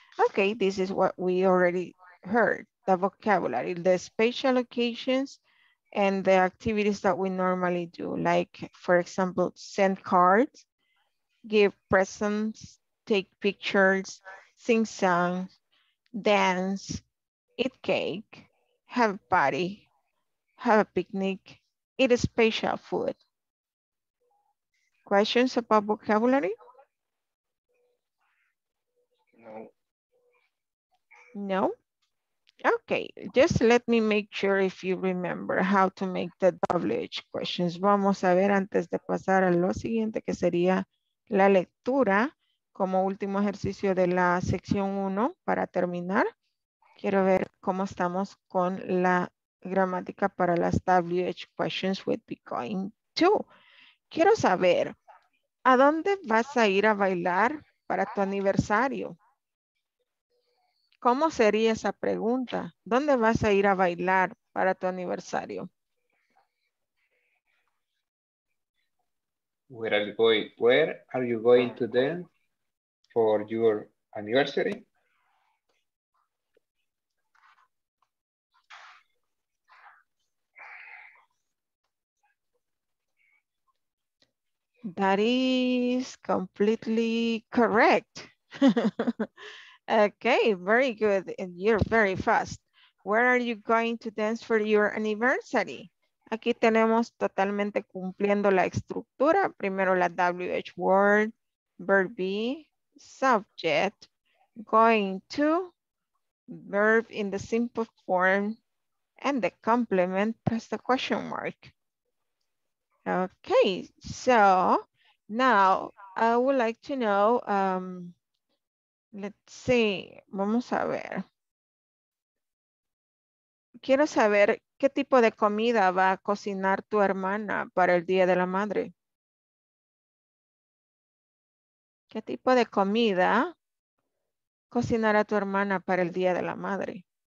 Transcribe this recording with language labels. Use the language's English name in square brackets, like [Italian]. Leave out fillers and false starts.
[English] Okay, this is what we already heard, the vocabulary, the spatial locations and the activities that we normally do, like for example, send cards, give presents, take pictures, sing songs, dance, eat cake, have a party, have a picnic, eat a special food. Questions about vocabulary? No. No? Okay, just let me make sure if you remember how to make the WH questions. [Spanish] Vamos a ver antes de pasar a lo siguiente que sería la lectura como último ejercicio de la sección 1 para terminar. Quiero ver cómo estamos con la gramática para las WH questions with Bitcoin 2. Quiero saber, ¿a dónde vas a ir a bailar para tu aniversario? ¿Cómo sería esa pregunta? ¿Dónde vas a ir a bailar para tu aniversario? [English] Where are you going to dance for your anniversary? That is completely correct. Okay, very good. And you're very fast. Where are you going to dance for your anniversary? [Spanish] Aquí tenemos totalmente cumpliendo la estructura. Primero la [English] WH word, verb be, subject, going to, verb in the simple form, and the complement plus the question mark. Okay, so now I would like to know, let's see, [Spanish] vamos a ver. Quiero saber qué tipo de comida va a cocinar tu hermana para el Día de la Madre. ¿Qué tipo de comida cocinará tu hermana para el Día de la Madre?